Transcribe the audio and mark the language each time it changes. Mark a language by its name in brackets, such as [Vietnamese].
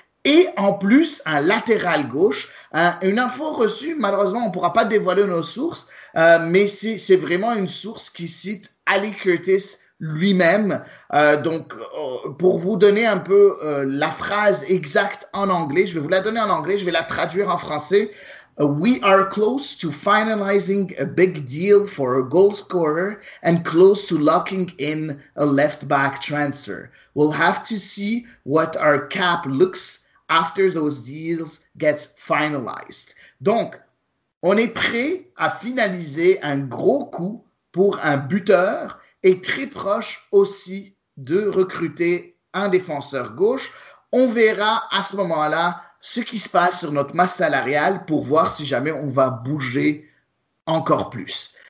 [French] Et en plus, un latéral gauche, une info reçue, malheureusement, on ne pourra pas dévoiler nos sources, mais c'est vraiment une source qui cite Ali Curtis lui-même. Donc, pour vous donner un peu la phrase exacte en anglais, je vais vous la donner en anglais, je vais la traduire en français. [English] We are close to finalizing a big deal for a goal scorer and close to locking in a left-back transfer. We'll have to see what our cap looks after those deals get finalized. [French] Donc, on est prêt à finaliser un gros coup pour un buteur. Est très proche aussi de recruter un défenseur gauche. On verra à ce moment-là ce qui se passe sur notre masse salariale pour voir si jamais on va bouger encore plus.